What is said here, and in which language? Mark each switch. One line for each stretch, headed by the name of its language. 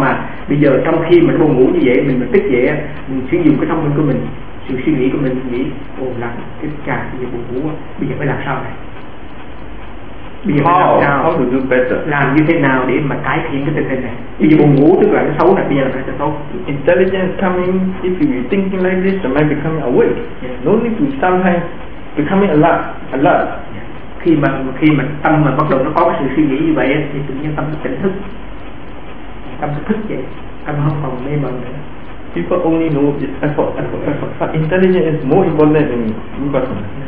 Vietnamese: Mà bây giờ trong khi mình buồn ngủ như vậy, mình tích vậy, mình sử dụng cái thông minh của mình, sự suy nghĩ của mình nghĩ, ôm lắm cái cha bây giờ buồn ngủ, bây giờ phải làm sao này?
English: How to do better?
Vietnamese: Làm như thế nào để mà cải thiện cái tình hình này? Bây giờ buồn ngủ tức là nó xấu này, bây giờ phải tốt.
English: Intelligence coming, if you thinking like this, the mind becoming awake. Yeah. No need to sometimes becoming alert. Yeah.
Vietnamese: Khi mà tâm mà bắt đầu nó có cái sự suy nghĩ như vậy thì tự nhiên tâm nó thức vậy, tâm không còn mê mẩn nữa.
English: People only know it's effort. Intelligence is more important than impersonal.